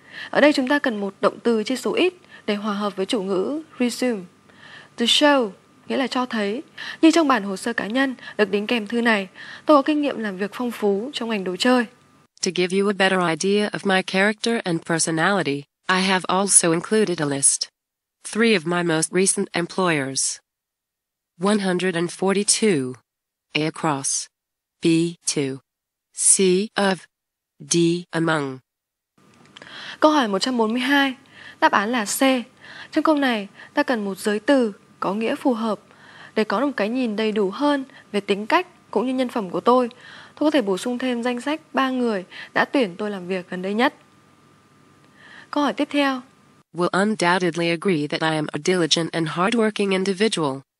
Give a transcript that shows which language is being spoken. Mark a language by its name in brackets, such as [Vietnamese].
[Vietnamese] Ở đây chúng ta cần một động từ chia số ít để hòa hợp với chủ ngữ resume. To show nghĩa là cho thấy. Như trong bản hồ sơ cá nhân được đính kèm thư này, tôi có kinh nghiệm làm việc phong phú trong ngành đồ chơi. [English] To give you a better idea of my character and personality, I have also included a list. 3 of my most recent employers. 142. A across. B to. C of. D among. [Vietnamese] Câu hỏi 142. Đáp án là C. Trong câu này, ta cần một giới từ có nghĩa phù hợp để có một cái nhìn đầy đủ hơn về tính cách cũng như nhân phẩm của tôi. Tôi có thể bổ sung thêm danh sách 3 người đã tuyển tôi làm việc gần đây nhất. Câu hỏi tiếp theo. [English] Will undoubtedly agree that I am a diligent and hardworking individual.